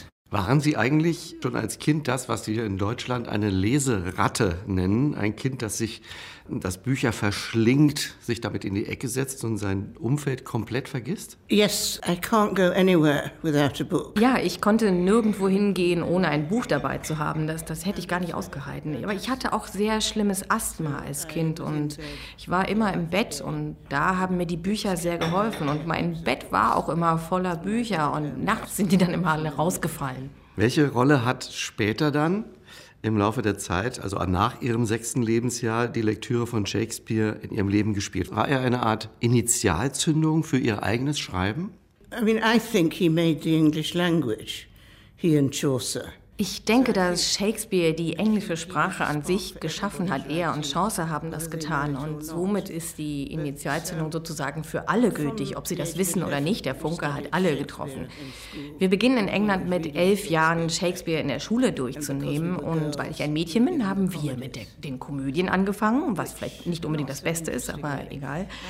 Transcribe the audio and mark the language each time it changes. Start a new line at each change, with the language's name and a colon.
German: Waren Sie eigentlich schon als Kind das, was Sie in Deutschland eine Leseratte nennen? Ein Kind, das sich das Bücher verschlingt, sich damit in die Ecke setzt und sein Umfeld komplett vergisst?
English: Yes, I can't go anywhere without a book.
German: Ja, ich konnte nirgendwo hingehen, ohne ein Buch dabei zu haben. Das hätte ich gar nicht ausgehalten. Aber ich hatte auch sehr schlimmes Asthma als Kind und ich war immer im Bett und da haben mir die Bücher sehr geholfen. Und mein Bett war auch immer voller Bücher und nachts sind die dann immer alle rausgefallen. Welche Rolle hat später dann im Laufe der Zeit, also nach Ihrem 6. Lebensjahr, die Lektüre von Shakespeare in Ihrem Leben gespielt? War er eine Art Initialzündung für Ihr eigenes Schreiben?
English: I mean, I think he made the English language, he and Chaucer.
German: Ich denke, dass Shakespeare die englische Sprache an sich geschaffen hat. Er und Chaucer haben das getan und somit ist die Initialzündung sozusagen für alle gültig, ob sie das wissen oder nicht. Der Funke hat alle getroffen. Wir beginnen in England mit 11 Jahren Shakespeare in der Schule durchzunehmen und weil ich ein Mädchen bin, haben wir mit den Komödien angefangen, was vielleicht nicht unbedingt das Beste ist, aber egal.